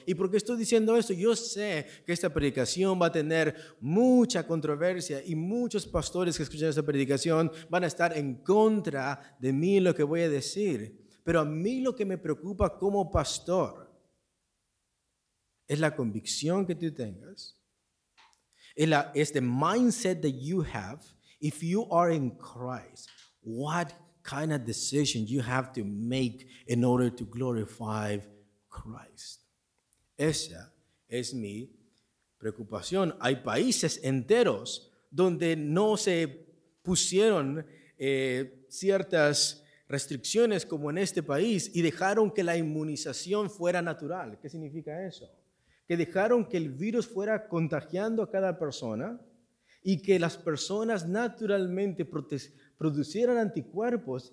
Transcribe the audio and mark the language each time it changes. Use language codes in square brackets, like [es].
[es] ¿Y por qué estoy diciendo esto? Yo sé que esta predicación va a tener mucha controversia y muchos pastores que escuchan esta predicación van a estar en contra de mí lo que voy a decir. Pero a mí lo que me preocupa como pastor es la convicción que tú tengas. [en] Es the mindset that you have if you are in Christ. What kind of decision you have to make in order to glorify Christ. [es] Esa es mi preocupación. Hay países enteros donde no se pusieron ciertas restricciones como en este país y dejaron que la inmunización fuera natural. ¿Qué significa eso? Que dejaron que el virus fuera contagiando a cada persona y que las personas naturalmente producieran anticuerpos.